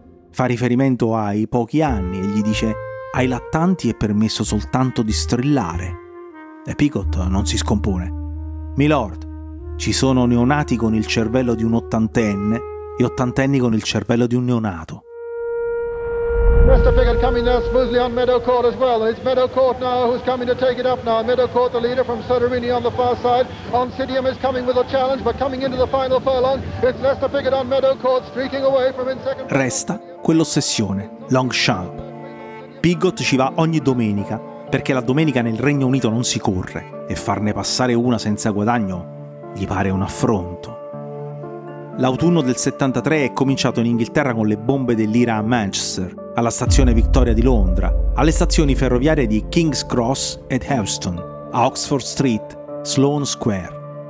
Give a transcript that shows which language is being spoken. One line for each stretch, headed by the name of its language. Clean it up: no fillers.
Italian: fa riferimento ai pochi anni e gli dice: ai lattanti è permesso soltanto di strillare. E Picot non si scompone: Milord, ci sono neonati con il cervello di un ottantenne e ottantenni con il cervello di un neonato.
English: Mr. Pickett coming down smoothly on Meadow Court as well. It's Meadow Court now who's coming to take it up now. Meadow Court, the leader from Soderini on the far side. Oncidium is coming with a challenge, but coming into the final furlong, it's Lester Pickett on Meadow Court streaking away from in second.
Italian: Resta quell'ossessione, Longchamp. Piggott ci va ogni domenica, perché la domenica nel Regno Unito non si corre, e farne passare una senza guadagno gli pare un affronto. L'autunno del 73 è cominciato in Inghilterra con le bombe dell'IRA a Manchester, alla stazione Victoria di Londra, alle stazioni ferroviarie di King's Cross ed Euston, a Oxford Street, Sloane Square.